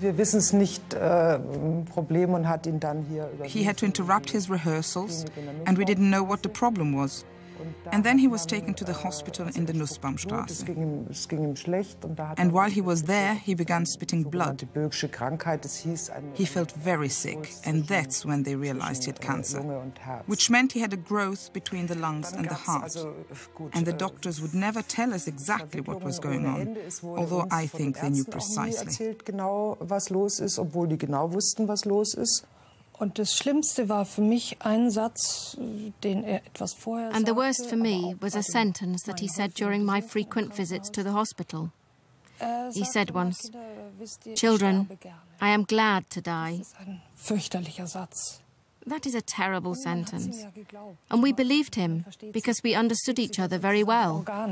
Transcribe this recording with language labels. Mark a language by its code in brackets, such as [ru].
[de] Wir wissen es nicht, Problem und hat ihn dann hier. [en] He had to interrupt his rehearsals, and we didn't know what the problem was. And then he was taken to the hospital in the Nussbaumstraße. [de] Es ging ihm schlecht und da hat. [en] And while he was there, he began spitting blood. [de] Die Böck'sche Krankheit, es hieß. [en] He felt very sick, and that's when they realized he had cancer, which meant he had a growth between the lungs and the heart. And the doctors would never tell us exactly what was going on, although I think they knew precisely. [de] Genau was los ist, obwohl die genau wussten, was los ist. Und das Schlimmste war für mich ein Satz, den er etwas vorher sagte. [en] And the worst for me was a sentence that he said during my frequent visits to the hospital. He said once, "Children, I am glad to die." [de] Das ist ein fürchterlicher Satz. [en] That is a terrible sentence. And we believed him, because we understood each other very well.